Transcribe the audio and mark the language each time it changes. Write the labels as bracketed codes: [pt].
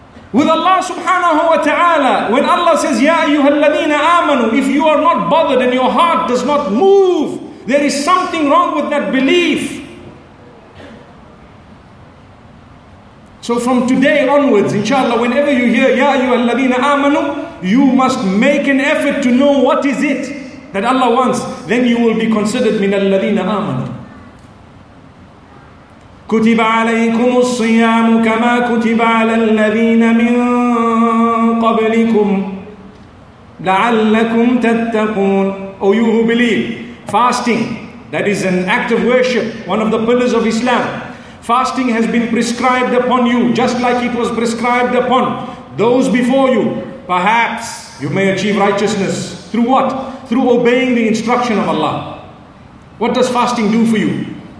[en] With Allah subhanahu wa ta'ala, when Allah says, [ar] ya ayyuhal ladina amanu, [en] if you are not bothered and your heart does not move, there is something wrong with that belief. So from today onwards, inshallah, whenever you hear, [ar] ya ayyuhal ladina amanu, [en] you must make an effort to know what is it that Allah wants. Then you will be considered [ar] minal ladina amanu. كتب عليكم الصيام كما كتب على الذين من قبلكم لعلكم تتقون. [en] O you who believe, fasting, that is an act of worship, one of the pillars of Islam. Fasting has been prescribed upon you, just like it was prescribed upon those before you. Perhaps you may achieve righteousness. Through what? Through obeying the instruction of Allah. What does fasting do for you?